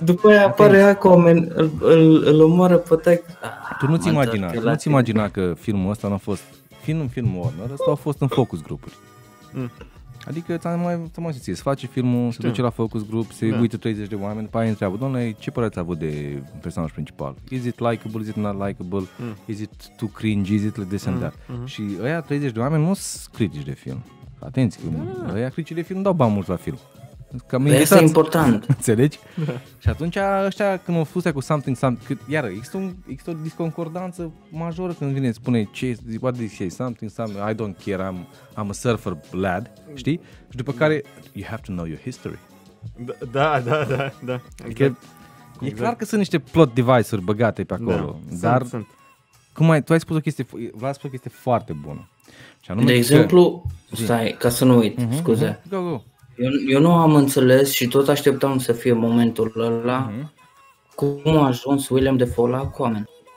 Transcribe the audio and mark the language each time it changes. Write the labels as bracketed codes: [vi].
[ro] După aia apare Aquaman, îl omoară pe taică. Tu nu-ți imagina, tu nu-ți imagina că filmul ăsta nu a fost... Fiind un film Warner, ăsta a fost în focus grupuri. Adică ți-am mai zis, se face filmul, știu. Se duce la focus group, se uită 30 de oameni, după aia întreabă, doamne, ce părere ați avut de personajul principal? [en] Is it likable, is it not likable, is it too cringe, is it like this and that? [ro] Și ăia 30 de oameni nu sunt critici de film. Atenție, ăia critici de film dau bani mulți la film. Cam păi asta e important. Înțelegi? Și atunci ăștia, când au fost cu [en] something, [ro] iară, există, există o disconcordanță majoră când vine, spune, ce, [en] what did you say, something, something, I don't care, I'm a surfer lad, [ro] știi? Și după care, [en] you have to know your history. [ro] Da. Adică, exact. E clar că sunt niște plot device-uri băgate pe acolo, da, dar sunt. Cum ai, tu ai spus o chestie, v-ați spus o chestie foarte bună. Și anume, de exemplu, că, stai, ca să nu uit, scuze. [en] Go. [ro] Eu nu am înțeles și tot așteptam să fie momentul ăla, cum a ajuns William Dafoe la Aquaman.